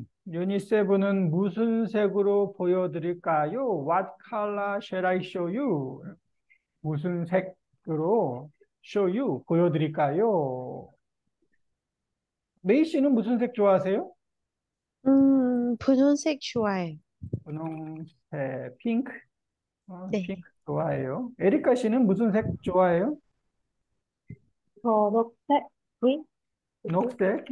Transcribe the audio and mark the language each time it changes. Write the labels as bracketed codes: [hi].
[ko] 유니세븐은 무슨 색으로 보여드릴까요? [en] What color shall I show you? [ko] 무슨 색으로? [en] Show you, [ko] 보여드릴까요? 메이 씨는 무슨 색 좋아하세요? 분홍색 좋아해. 분홍색, 핑크. 핑크 좋아해요. 에리카 씨는 무슨 색 좋아해요? 저 녹색, 그린? 녹색?